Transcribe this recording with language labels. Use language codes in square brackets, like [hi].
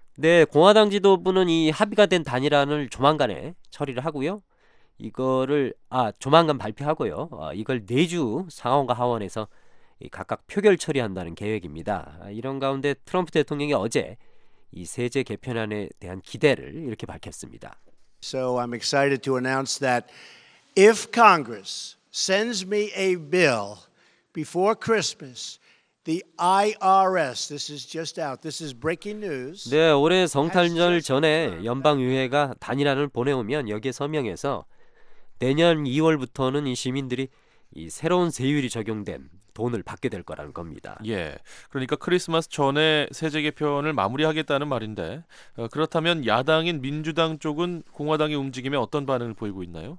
[ko] 네, 공화당 지도부는 이 합의가 된 단일안을 조만간에 처리를 하고요. 이거를 조만간 발표하고요. 이걸 4주 상원과 하원에서 각각 표결 처리한다는 계획입니다. 이런 가운데 트럼프 대통령이 어제 이 세제 개편안에 대한 기대를 이렇게 밝혔습니다. [en] So I'm excited to announce that if Congress sends me a bill before Christmas, the IRS, this is just out, this is breaking news. [ko] 네, 올해 성탄절 전에 연방의회가 단일안을 보내오면 여기에 서명해서 내년 2월부터는 이 시민들이 이 새로운 세율이 적용된 돈을 받게 될 거라는 겁니다. 예, 그러니까 크리스마스 전에 세제 개편을 마무리하겠다는 말인데 그렇다면 야당인 민주당 쪽은 공화당의 움직임에 어떤 반응을 보이고 있나요?